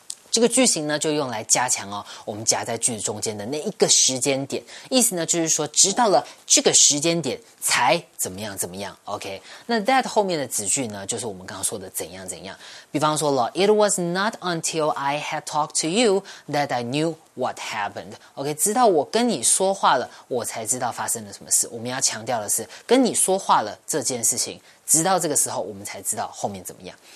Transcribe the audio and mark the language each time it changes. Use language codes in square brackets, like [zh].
[zh] 这个句型呢就用来加强哦我们夹在句子中间的那一个时间点。意思呢就是说直到了这个时间点才怎么样怎么样 ,OK。那 that 后面的子句呢就是我们刚刚说的怎样怎样。比方说了 [en] ,it was not until I had talked to you that I knew what happened. [zh] OK, 直到我跟你说话了我才知道发生了什么事。我们要强调的是跟你说话了这件事情。直到这个时候我们才知道后面怎么样。